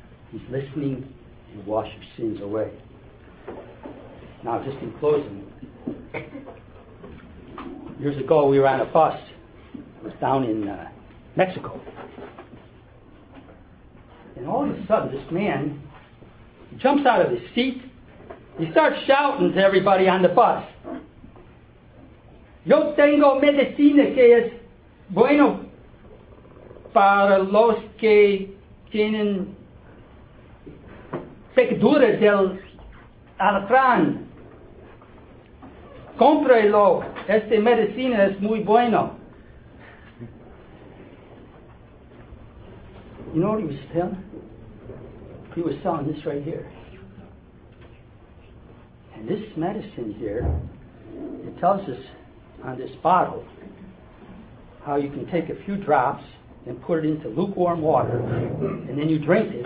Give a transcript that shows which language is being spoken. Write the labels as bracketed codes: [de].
[en] He's listening and wash your sins away. Now, just in closing, years ago we were on a bus. It was down in Mexico. And all of a sudden, this man jumps out of his seat. He starts shouting to everybody on the bus. [es] Yo tengo medicina que es bueno para los que tienen pecadura del alfran. Cómprelo. Esta medicina es muy bueno. [en] You know what he was telling? He was selling this right here. And this medicine here, it tells us on this bottle how you can take a few drops and put it into lukewarm water, and then you drink it.